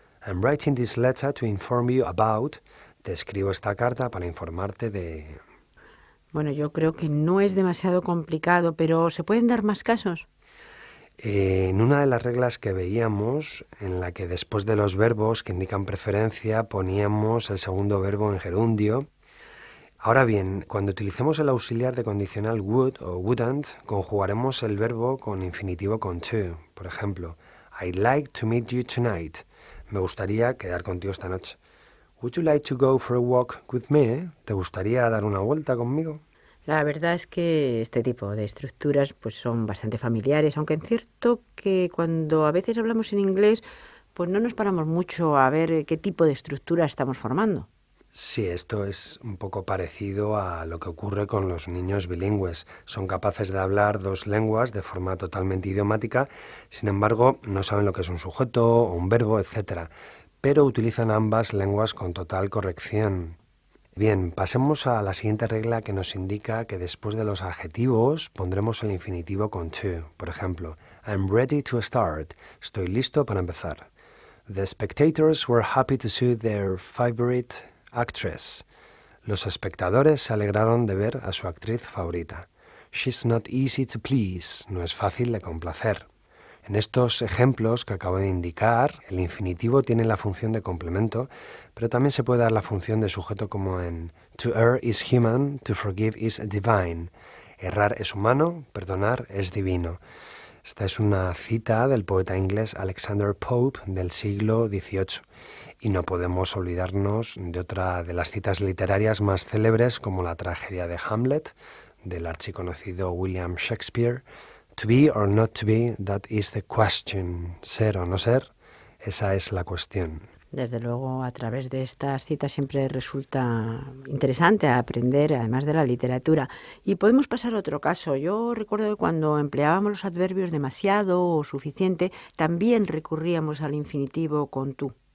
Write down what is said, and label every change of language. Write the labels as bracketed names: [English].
[English] I'm writing this letter to inform you about. [Spanish] Te escribo esta carta para informarte de... Bueno, yo creo que no es demasiado complicado, pero ¿se pueden dar más casos? En una de las reglas que veíamos, en la que después de los verbos que indican preferencia poníamos el segundo verbo en gerundio. Ahora bien, cuando utilicemos el auxiliar de condicional would o wouldn't, conjugaremos el verbo con infinitivo con to. Por ejemplo, [English] I'd like to meet you tonight. [Spanish] Me gustaría quedar contigo esta noche. [English] Would you like to go for a walk with me? [Spanish] ¿Te gustaría dar una vuelta conmigo? La verdad es que este tipo de estructuras pues son bastante familiares, aunque es cierto que cuando a veces hablamos en inglés pues no nos paramos mucho a ver qué tipo de estructura estamos formando. Sí, esto es un poco parecido a lo que ocurre con los niños bilingües. Son capaces de hablar dos lenguas de forma totalmente idiomática, sin embargo, no saben lo que es un sujeto, un verbo, etcétera, pero utilizan ambas lenguas con total corrección. Bien, pasemos a la siguiente regla que nos indica que después de los adjetivos pondremos el infinitivo con to. Por ejemplo, [English] I'm ready to start. [Spanish] Estoy listo para empezar. [English] The spectators were happy to see their favorite actress. [Spanish] Los espectadores se alegraron de ver a su actriz favorita. [English] She's not easy to please. [Spanish] No es fácil de complacer. En estos ejemplos que acabo de indicar, el infinitivo tiene la función de complemento, pero también se puede dar la función de sujeto como en [English] To err is human, to forgive is divine. [Spanish] Errar es humano, perdonar es divino. Esta es una cita del poeta inglés Alexander Pope del siglo XVIII. Y no podemos olvidarnos de otra de las citas literarias más célebres como la tragedia de Hamlet, del archiconocido William Shakespeare. [English] To be or not to be, that is the question. [Spanish] Ser o no ser, esa es la cuestión. Desde luego, a través de estas citas siempre resulta interesante aprender, además de la literatura. Y podemos pasar a otro caso. Yo recuerdo que cuando empleábamos los adverbios demasiado o suficiente, también recurríamos al infinitivo con tú.